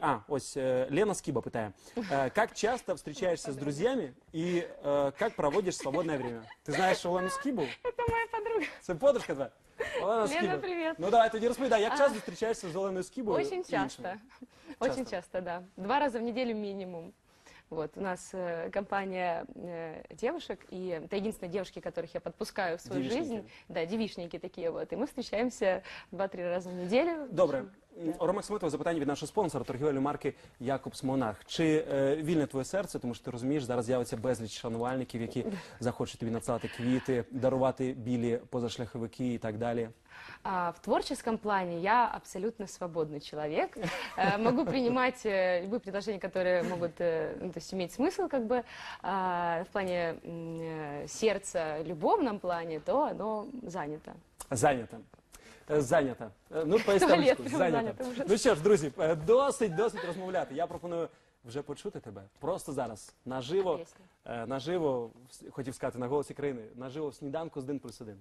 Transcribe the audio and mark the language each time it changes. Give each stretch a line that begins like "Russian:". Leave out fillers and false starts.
Ukrainian: А, ось Лена Скіба питає. Як часто зустрічаєшся з друзями і як проводиш
Russian: свободне время?
Ukrainian: Ти знаєш Олену Скібу? Це моя подруга. Це подружка твоя?
Russian: Олена Скіба. Лена, привет.
Ukrainian: Ну давай, тоді розповідай, як часто зустрічаєшся з Оленою Скібою?
Russian: Очень часто. Очень часто, да.
Ukrainian: Два рази в неділю мінімум.
Russian: Вот, у нас компания девушек, и это единственные девушки, которых я подпускаю в свою девичники. Жизнь. Да, девичники такие вот. И мы встречаемся 2-3 раза в неделю.
Ukrainian: Добре. Да. Рома Максимов, запитання від нашого спонсора, торгівельної марки Якобс Монах. Чи вільне твоє серце, тому що ти розумієш, зараз з'явиться безліч шанувальників, які захочуть тобі надсилати квіти, дарувати білі позашляховики і так далі?
Russian: В творческом плане я абсолютно свободный человек. Могу принимать любые предложения, которые могут, ну, то есть иметь смысл, как бы, в плане сердца, любовном плане, то оно занято. Занято. Занято. Ну, поясню. Занято.
Ukrainian: Ну що ж, друзі, досить розмовляти. Я пропоную вже почути тебе. Просто зараз, наживо. Наживо, хотів сказати, на голосі країни, наживо в сніданку з 1+1.